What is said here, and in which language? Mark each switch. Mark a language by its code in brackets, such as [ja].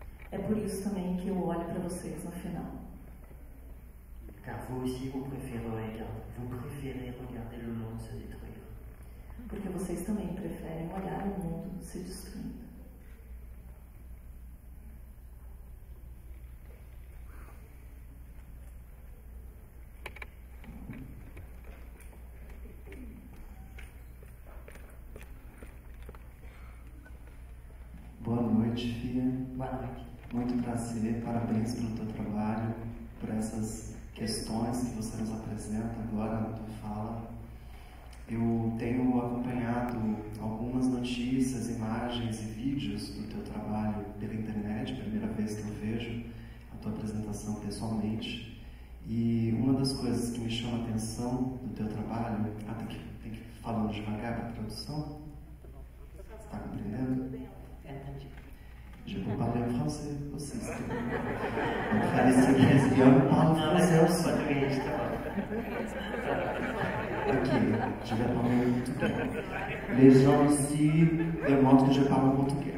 [pt] É por isso também que eu olho para vocês no final. [fr] Car vous aussi vous préférez regarder le monde se détruire. [pt] Porque vocês também preferem olhar o mundo se destruindo. Boa noite, Fia. Boa noite. Muito prazer, parabéns pelo teu trabalho, por essas questões que você nos apresenta agora na tua fala. Eu tenho acompanhado algumas notícias, imagens e vídeos do teu trabalho pela internet, primeira vez que eu vejo a tua apresentação pessoalmente. E uma das coisas que me chama a atenção do teu trabalho, tem que ir falando devagar para a tradução, você está compreendendo? [fr] Je vais parler en français aussi. On parle ici bien, on parle français. Ok, je vais parler en tout cas. Les gens ici demandent que je parle en portugais.